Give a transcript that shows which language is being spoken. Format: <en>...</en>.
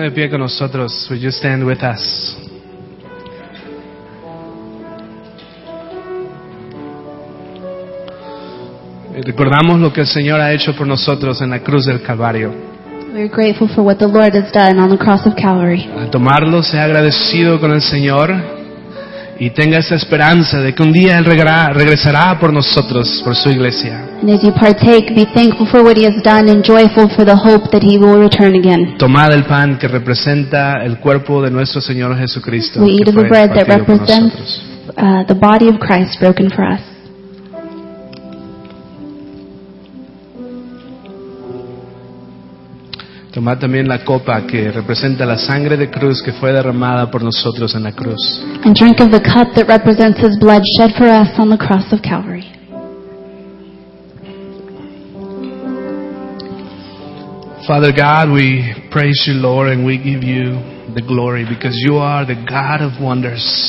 <es>Con nosotros,</es> <en>would you stand with us?</en> <es>Recordamos lo que el Señor ha hecho por nosotros en la cruz del Calvario.</es> <en>We are grateful for what the Lord has done on the cross of Calvary.</en> <es>Al tomarlo, sea agradecido con el Señor y tenga esa esperanza de que un día Él regresará por nosotros, por su iglesia.</es> <en>And as you partake, be thankful for what He has done and joyful for the hope that He will return again.</en> <es>Tomad el pan que representa el cuerpo de nuestro Señor Jesucristo.</es> <en>We eat of the bread that represents the body of Christ broken for us.</en> <es>Tomad también la copa que representa la sangre de cruz que fue derramada por nosotros en la cruz.</es> <en>And drink of the cup that represents His blood shed for us on the cross of Calvary. Father God, we praise you, Lord, and we give you the glory because you are the God of wonders.</en>